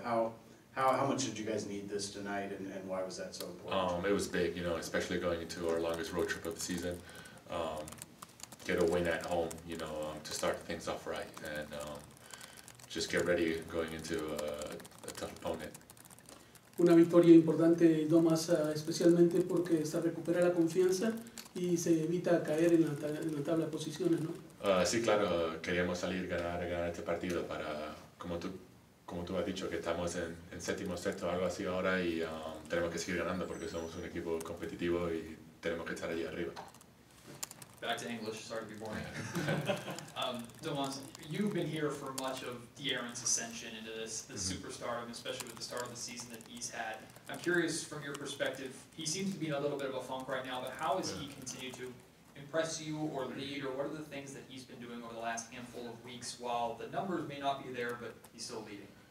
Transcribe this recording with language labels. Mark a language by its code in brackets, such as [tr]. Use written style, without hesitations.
[en] How much did you guys need this tonight, and why was that so important? It was big, you know, especially going into our longest road trip of the season. Get a win at home, you know, to start things off right, and just get ready going into a tough opponent. [es] Una victoria importante, Domas, especialmente porque se recupera la confianza y se evita caer en la tabla de posiciones, ¿no? Sí, claro, queríamos salir ganar este partido para, como tú has dicho, que estamos en séptimo, sexto, algo así ahora, y tenemos que seguir ganando porque somos un equipo competitivo y tenemos que estar allí arriba. [en] Back to English, sorry to be boring. Domas, you've been here for much of De'Aaron's ascension into this mm-hmm. superstar, and especially with the start of the season that he's had. I'm curious, from your perspective, he seems to be in a little bit of a funk right now, but how has he continued to impress you or lead, or what are the things that he's been doing over the last handful of weeks while the numbers may not be there, but he's still leading?